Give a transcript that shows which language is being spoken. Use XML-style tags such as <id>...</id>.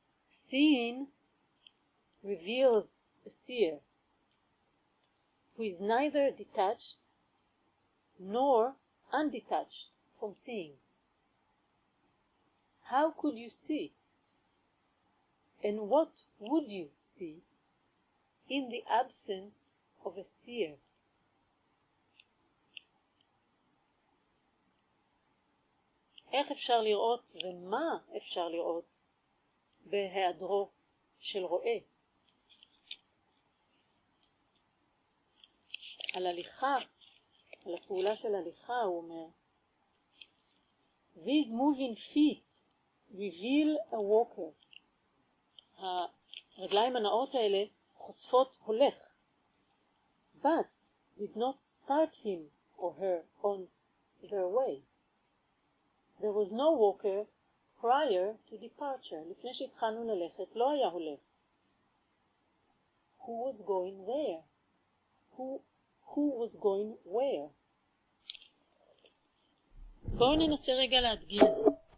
<en>Seeing reveals a seer who is neither detached nor undetached from seeing. How could you see? And what would you see in the absence of a seer?</en> <he>איך אפשר לראות ומה אפשר לראות בהיעדרו של רואה? על הליכה, על הפעולה של הליכה, הוא אומר,</he> <en>These moving feet reveal a walker.</en> <he>הרגליים הנאות האלה חושפות הולך.</he> <en>But did not start him or her on their way. There was no walker prior to departure.</en> <he>לפני שהתחלנו ללכת, לא היה הולך.</he> <en>Who was going there? Who was going where?</en> <he>בואו ננסה רגע להדגיע את זה.</he>